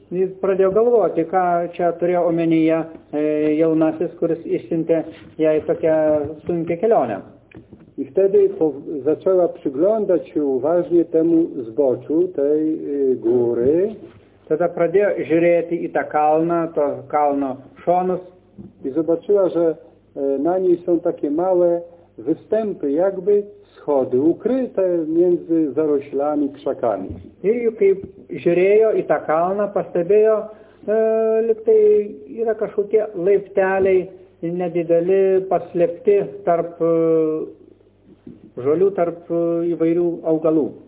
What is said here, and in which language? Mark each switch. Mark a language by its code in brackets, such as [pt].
[lt] I pradėjo galvoti, ką čia turėjo omenyje jaunasis, kuris išsiuntė jai tokią sunkią kelionę. [pl] I wtedy zaczęła przyglądać się uważnie temu zboczu tej góry. [lt] Tada pradėjo žiūrėti į tą kalną, to kalno šonus. [pl] I zobaczyła, że na niej są takie małe występy, jakby schody ukryte między zaroślami, krzakami. [lt] I kai žiūrėjo į tą kalną, pastebėjo, liktai yra kažkokie laipteliai nedideli, paslėpti tarp žolių, tarp įvairių augalų.